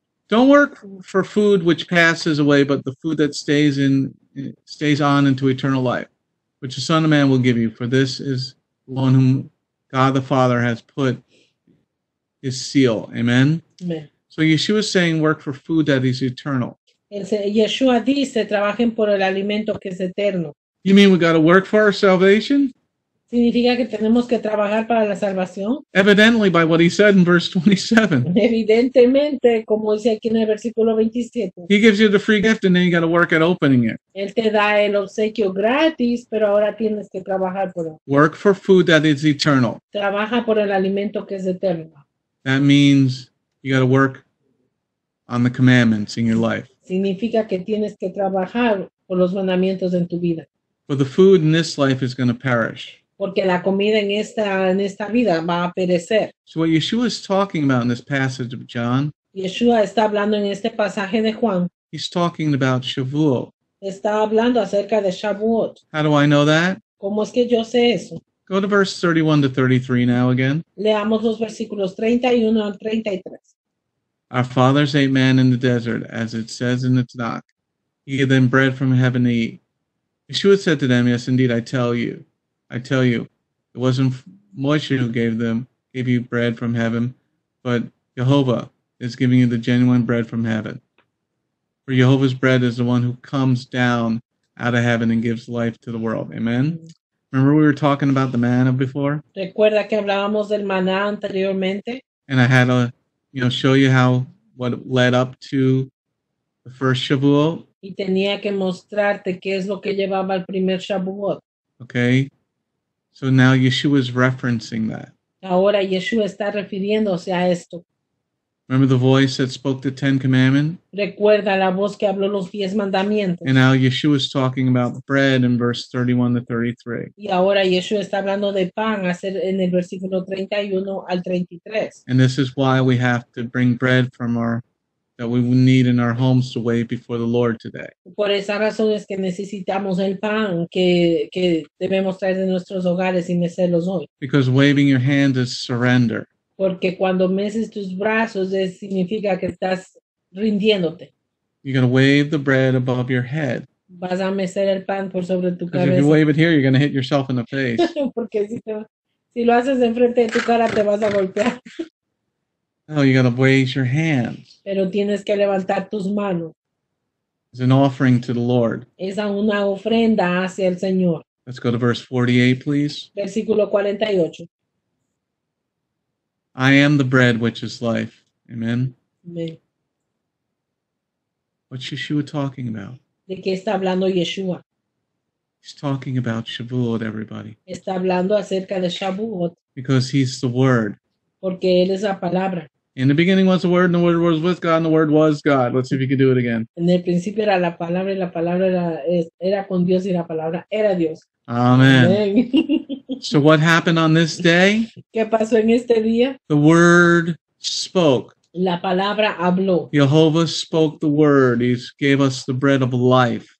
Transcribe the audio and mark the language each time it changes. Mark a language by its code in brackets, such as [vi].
[en] Don't work for food which passes away, but the food that stays on into eternal life, which the Son of Man will give you. For this is the one whom God the Father has put his seal. Amen? Amen. So Yeshua is saying work for food that is eternal. [es] Yeshua dice, trabajen por el alimento que es eterno. [en] You mean we got to work for our salvation? [es] ¿Significa que tenemos que trabajar para la salvación? [en] Evidently by what he said in verse 27. [es] Evidentemente, como dice aquí en el versículo 27. [en] He gives you the free gift and then you got to work at opening it. [es] Él te da el obsequio gratis, pero ahora tienes que trabajar por él. [en] Work for food that is eternal. [es] Trabaja por el alimento que es eterno. [en] That means you got to work on the commandments in your life. [es] Significa que tienes que trabajar por los mandamientos en tu vida. [en] For the food in this life is going to perish. [es] Porque la comida en esta vida va a perecer. [en] So what Yeshua is talking about in this passage of John. [es] Yeshua está hablando en este pasaje de Juan. [en] He's talking about Shavuot. [es] Está hablando acerca de Shavuot. [en] How do I know that? [es] ¿Cómo es que yo sé eso? [en] Go to verse 31 to 33 now again. [es] Leamos los versículos 31 al 33. [en] Our fathers ate man in the desert, as it says in the Tanakh. He gave them bread from heaven to eat. Yeshua said to them, yes, indeed, I tell you, it wasn't Moshe who gave you bread from heaven, but Yehovah is giving you the genuine bread from heaven. For Yehovah's bread is the one who comes down out of heaven and gives life to the world. Amen? Remember we were talking about the manna before? [es] ¿Recuerda que hablábamos del maná anteriormente? [en] And I had to, show you how what led up to the first Shavuot. [es] Y tenía que mostrarte qué es lo que llevaba al primer Shavuot. [en] Okay. So now Yeshua is referencing that. [es] Ahora Yeshua está refiriéndose a esto. [en] Remember the voice that spoke the Ten Commandments? [es] Recuerda la voz que habló los 10 mandamientos. [en] And now Yeshua is talking about bread in verse 31 to 33. [es] Y ahora Yeshua está hablando de pan en el versículo 31 al 33. [en] And this is why we have to bring bread from our that we would need in our homes to wait before the Lord today. [es] Por esa razón es que necesitamos el pan que debemos traer de nuestros hogares y mecerlos hoy. [en] Because waving your hand is surrender. [es] Porque cuando meces tus brazos significa que estás rindiéndote. [en] You're going to wave the bread above your head. [es] Vas a mecer el pan por sobre tu cabeza. [en] Because if you wave it here, you're going to hit yourself in the face. [es] Porque si lo haces enfrente de tu cara, te vas a golpear. [en] No, you got to raise your hands. [es] Pero tienes que levantar tus manos. [en] It's an offering to the Lord. [es] Es una ofrenda hacia el Señor. [en] Let's go to verse 48, please. [es] Versículo 48. [en] I am the bread which is life. Amen. Amen. What's Yeshua talking about? [es] ¿De qué está hablando Yeshua? [en] He's talking about Shavuot, everybody. [es] Está hablando acerca de Shavuot. [en] Because he's the Word. [es] Porque él es la palabra. [en] In the beginning was the Word, and the Word was with God, and the Word was God. Let's see if you can do it again. [es] En el principio era la palabra, y la palabra era con Dios, y la palabra era Dios. [en] Amen. Amen. So what happened on this day? [es] ¿Qué pasó en este día? [en] The Word spoke. [es] La palabra habló. [en] Jehovah spoke the Word. He gave us the bread of life.